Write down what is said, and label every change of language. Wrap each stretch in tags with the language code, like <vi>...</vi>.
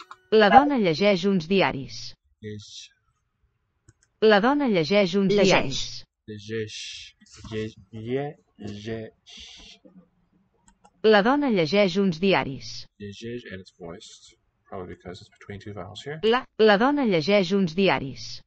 <ca>La dona llegeix uns diaris. Llegeix. La dona llegeix uns diaris. Llegeix. Llegeix. La dona llegeix uns diaris.</ca> <en>Llegeix, and it's voiced, probably because it's between two vowels here.</en> <ca>La dona llegeix uns diaris.</ca>